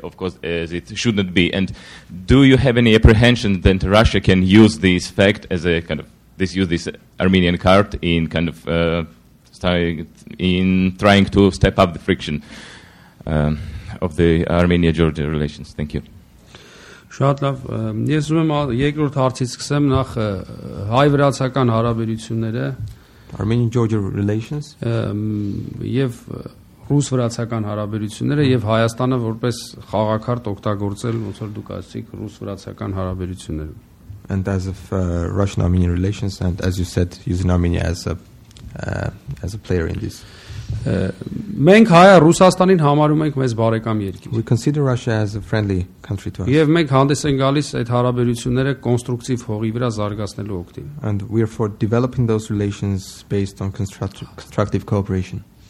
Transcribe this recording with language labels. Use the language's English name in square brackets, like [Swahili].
[English] Of course, as it shouldn't be. And do you have any apprehension that Russia can use this fact as a kind of this use this Armenian card in kind of in trying to step up the friction of the Armenia-Georgia relations? Thank you. [Armenian] Շատ լավ, ես ուզում եմ երկրորդ հարցից սկսեմ, նախ հայ-վրացական հարաբերությունները, [English] Armenian-Georgia relations, [Armenian] եւ ռուս-վրացական հարաբերությունները, եւ Հայաստանը որպես խաղաղարտ օգտագործել, ոնց որ դուք ասացիք, ռուս-վրացական հարաբերությունները. [English] And as of Russian-Armenian relations, and as you said, using Armenia as a player in this. [Armenian] Մենք հայը Ռուսաստանին համարում ենք մեզ բարեկամ երկիր։ [English] We consider Russia as a friendly country to us. [Armenian] Եվ մենք հանդես ենք գալիս այդ հարաբերությունները կոնստրուկտիվ հողի վրա զարգացնելու օգտին։ [English] And we are for developing those relations based on constructive cooperation.